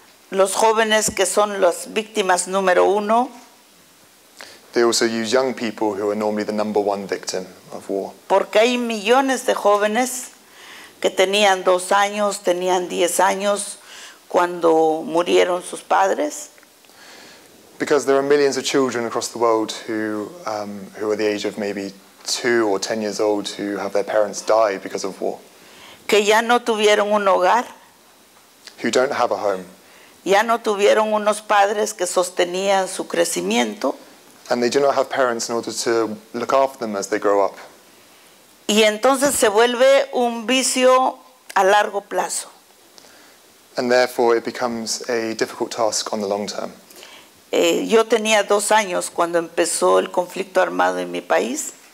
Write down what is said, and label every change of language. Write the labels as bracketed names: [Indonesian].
[Spanish] Los jóvenes que son las víctimas número uno. [English] They also use young people who are normally the number one victim of war. [Spanish] Porque hay millones de jóvenes que tenían 2 años, tenían 10 años cuando murieron sus padres. [English] Because there are millions of children across the world who are the age of maybe 2 or 10 years old who have their parents die because of war. [Spanish] Que ya no tuvieron un hogar. [English] Who don't have a home. [Spanish] Ya no tuvieron unos padres que sostenían su crecimiento. [English] And they do not have parents in order to look after them as they grow up. [Spanish] Y entonces se vuelve un vicio a largo plazo. [English] And therefore it becomes a difficult task on the long term. [Spanish] Yo tenía 2 años cuando empezó el conflicto armado en mi país.